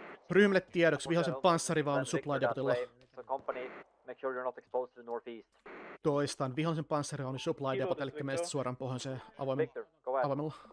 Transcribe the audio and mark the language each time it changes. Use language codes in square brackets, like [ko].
[fi] Ryhmille tiedoksi, vihollisen panssarivaunu supply depotilla. [en] So company, make sure you're not exposed to the northeast. [fi] Toistan, vihollisen panssarivaunu supply depot, eli meistä suoraan pohjoiseen avoimella.